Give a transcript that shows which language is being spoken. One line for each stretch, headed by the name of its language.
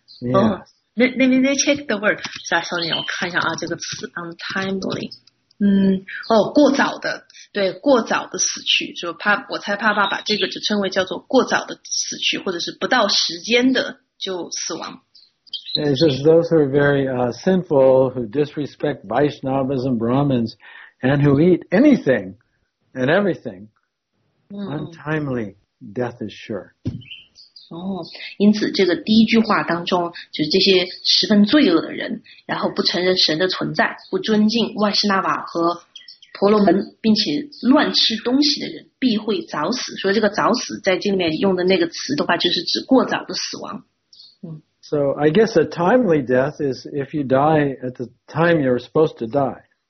English: Yeah. Let me check the word.
Chinese: 稍等，我看一下啊，这个词 untimely. 过早的，对，过早的死去。就帕，我猜帕帕把这个就称为叫做过早的死去，或者是不到时间的就死亡。
English: It's just those who are very sinful, who disrespect Vaishnavas and Brahmins, and who eat anything and everything, untimely death is sure.
Chinese: 因此这个第一句话当中，就是这些十分罪恶的人，然后不承认神的存在，不尊敬万斯纳瓦和婆罗门，并且乱吃东西的人，必会早死。所以这个早死在这里面用的那个词的话，就是指过早的死亡。
English: So I guess a timely death is if you die at the time you're supposed to die.